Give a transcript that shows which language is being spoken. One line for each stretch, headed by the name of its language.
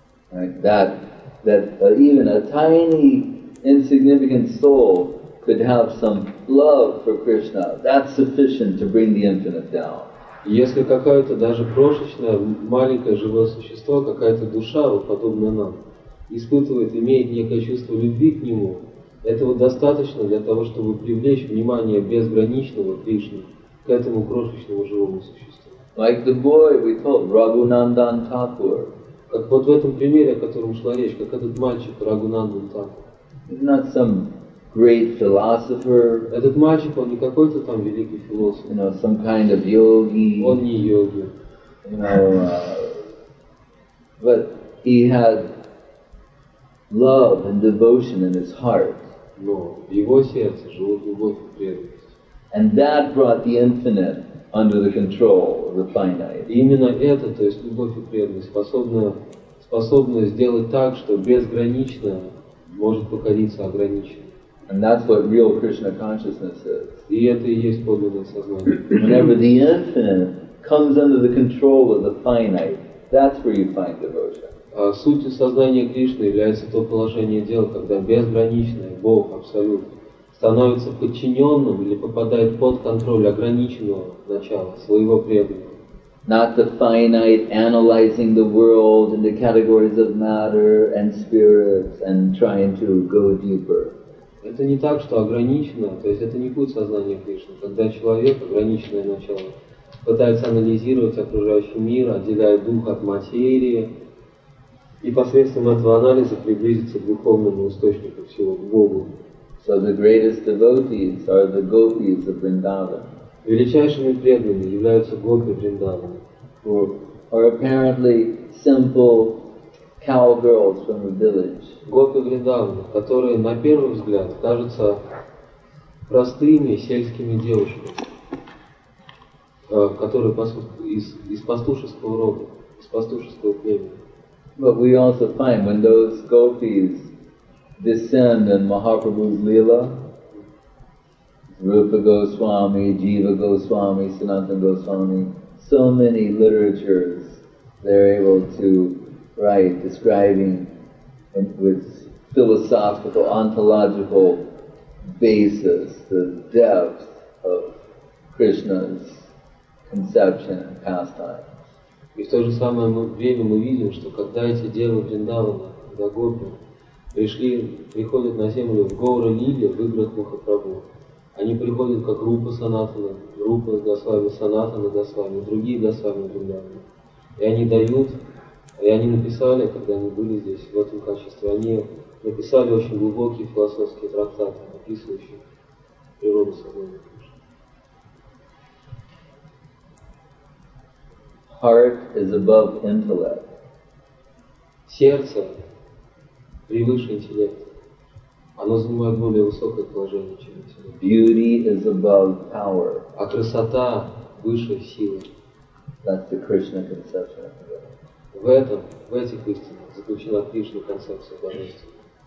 English: Like that even a tiny, insignificant soul could have some love for Krishna, that's sufficient to bring the infinite down.
Russian: Если какое-то даже крошечное, маленькое живое существо, какая-то душа, вот подобная нам, испытывает, имеет некое чувство любви к нему, этого достаточно для того, чтобы привлечь внимание безграничного Кришны к этому крошечному живому существу.
English: Like the boy we told, Raghunandan Thakur.
Russian: Как вот в этом примере, о котором шла речь, как этот мальчик, Raghunandan Thakur.
English: It's not some great philosopher.
Russian: Этот мальчик, он не какой-то там великий философ.
English: You know, some kind of yogi.
Russian: Он не йоги.
English: You know, but he had love and devotion in his heart.
Russian: Но в его сердце жила любовь и преданность.
English: And that brought the infinite under the control of the finite.
Russian: И именно это, то есть любовь и преданность, способна сделать так, что безгранично может покориться ограниченным.
English: And that's what real Krishna consciousness is.
Russian: И это и есть подлинное сознание.
English: Whenever the infinite comes under the control of the finite, that's where you find devotion.
Russian: Сутью сознания Кришны является то положение дел, когда безграничное, Бог, Абсолют, становится подчиненным или попадает под контроль ограниченного начала, своего преданного.
English: Not the finite analyzing the world into categories of matter and spirits and trying to go deeper.
Russian: Это не так, что ограничено, то есть это не путь сознания Кришны. Когда человек, ограниченное начало, пытается анализировать окружающий мир, отделяет дух от материи, и посредством этого анализа приблизиться к духовному источнику всего, к Богу.
English: So the greatest devotees are the gopis of Vrindavan.
Russian: Величайшими преданными являются гопи Вриндавана.
English: Or apparently simple cowgirls from the village.
Russian: Гопи Вриндавана, которые на первый взгляд кажутся простыми сельскими девушками, которые из пастушеского рода, из пастушеского племени.
English: But we also find when those gopis descend in Mahaprabhu's Leela, Rupa Goswami, Jiva Goswami, Sanatana Goswami, so many literatures they're able to write describing it with philosophical, ontological basis, the depth of Krishna's conception and pastime.
Russian: И в то же самое время мы видим, что когда эти девы Вриндавана, гопи, пришли, приходят на землю в Гоура-лиле, в играх Махапрабху, они приходят как Рупа Санатана, Рупа Госвами, Санатана Госвами, другие Госвами Вриндавана. И они дают, и они написали, когда они были здесь, в этом качестве, они написали очень глубокие философские трактаты, описывающие природу сознания.
English: Heart is above intellect.
Russian: Сердце превыше интеллекта. Оно занимает более высокое положение, чем интеллект.
English: Beauty is above power.
Russian: А красота выше силы.
English: That's the Krishna conception of the world.
Russian: В этих истинах заключена Кришна концепция божественности.